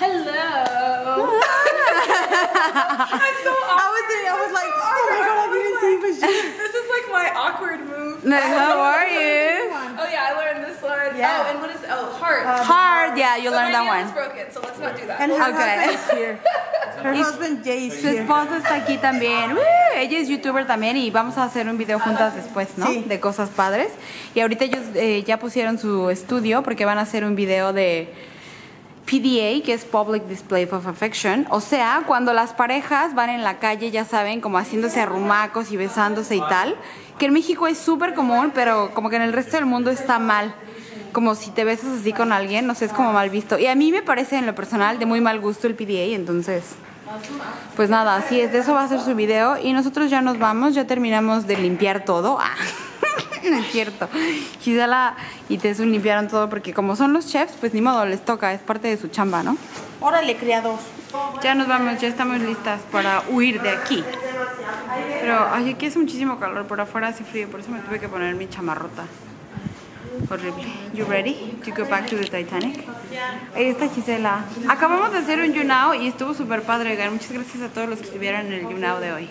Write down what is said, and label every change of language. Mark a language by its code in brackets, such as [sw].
[en] I'm so awkward. I was so awkward. Oh my god, I didn't see this. This is like my awkward move. No, how are you? Yeah. Oh, and what is heart. Heart, yeah, you learned that one. Broken, so let's not do that. And her husband is here. Her husband, Jay, is [es] here. Su esposo está aquí también. Woo! Ella es youtuber también y vamos a hacer un video juntas después, ¿no? Sí. De cosas padres. Y ahorita ellos ya pusieron su estudio porque van a hacer un video de PDA, que es [en] Public Display of Affection. [es] O sea, cuando las parejas van en la calle, ya saben, como haciéndose arrumacos y besándose y tal. Que en México es súper común, pero como que en el resto del mundo está mal. Como si te besas así con alguien, no sé, es como mal visto. Y a mí me parece, en lo personal, de muy mal gusto el PDA, entonces... Pues nada, así es, de eso va a ser su video. Y nosotros ya nos vamos, ya terminamos de limpiar todo. Ah, no es cierto. Gisela y Tesun limpiaron todo porque como son los chefs, pues ni modo, les toca. Es parte de su chamba, ¿no? Órale, criados. Ya nos vamos, ya estamos listas para huir de aquí. Pero ay, aquí hace muchísimo calor, por afuera hace frío, por eso me tuve que poner mi chamarrota. Horrible. [en] You ready to go back to the Titanic? Yeah. [es] Ahí está Gisela. Acabamos de hacer un YouNow y estuvo súper padre. Muchas gracias a todos los que estuvieron en el YouNow de hoy.